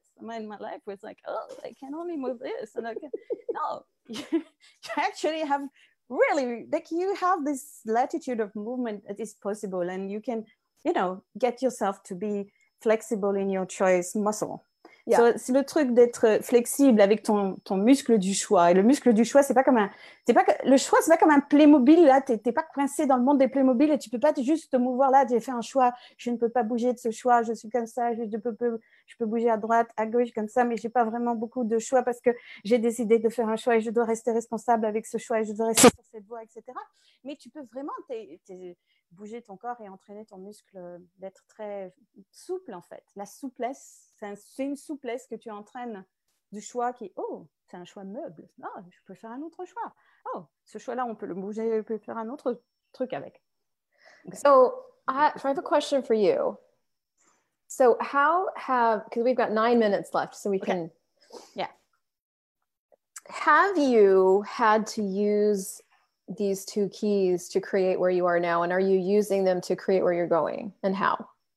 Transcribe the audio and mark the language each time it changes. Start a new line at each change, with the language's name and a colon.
English: My life was like, oh, I can only move this. And I can't. No, you actually have really, like, you have this latitude of movement that is possible, and you can, you know, get yourself to be flexible in your choice muscle. Yeah.
French: So c'est le truc d'être flexible avec ton muscle du choix. Et le muscle du choix, c'est pas comme un Playmobil, là. T'es pas coincé dans le monde des Playmobil et tu peux pas juste te mouvoir là. J'ai fait un choix. Je ne peux pas bouger de ce choix. Je suis comme ça. Je peux bouger à droite, à gauche, comme ça. Mais j'ai pas vraiment beaucoup de choix parce que j'ai décidé de faire un choix et je dois rester responsable avec ce choix et je dois rester sur cette voie, etc. Mais tu peux vraiment bouger ton corps et entraîner ton muscle d'être très souple, en fait. La souplesse, c'est une souplesse que tu entraînes du choix qui, oh, c'est un choix meuble. Oh, je peux faire un autre choix. Oh, ce choix-là, on peut le bouger, on peut faire un autre truc avec.
English: Okay. So, I have a question for you. So how have, because we've got 9 minutes left, so we can. Yeah. Have you had to use these two keys to create where you are now? And are you using them to create where you're going, and how?